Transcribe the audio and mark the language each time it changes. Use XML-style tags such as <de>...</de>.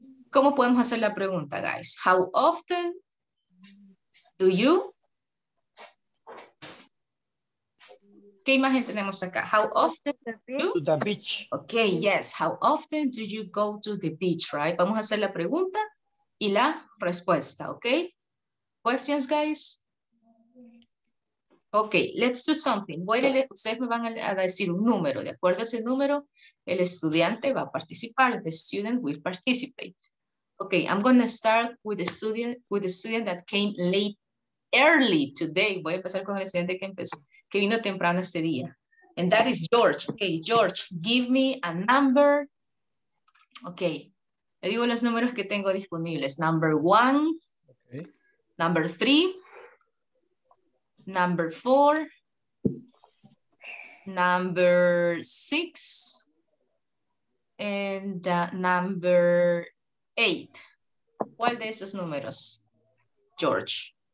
<es>¿Cómo podemos hacer la pregunta, guys?</es> <en>How often do you?</en> <es>¿Qué imagen tenemos acá?</es> <en>How often do you go to the beach? Okay, yes. How often do you go to the beach, right?</en> <es>Vamos a hacer la pregunta y la respuesta, okay?</es> <en>Questions, guys? Okay, let's do something.</en> <es>Ustedes me van a decir un número. De acuerdo a ese número, el estudiante va a participar.</es> <en>The student will participate. Okay, I'm going to start with the student that came late early today.</en> <es>Voy a empezar con el estudiante que empezó. Que vino temprano este día.</es> <en>And that is George. Okay, George, give me a number.</en> <es>Okay, le digo los números que tengo disponibles.</es> <en>Number one, okay. Number three, number four, number six, and number eight.</en> <es>¿Cuál de esos números, George?</es>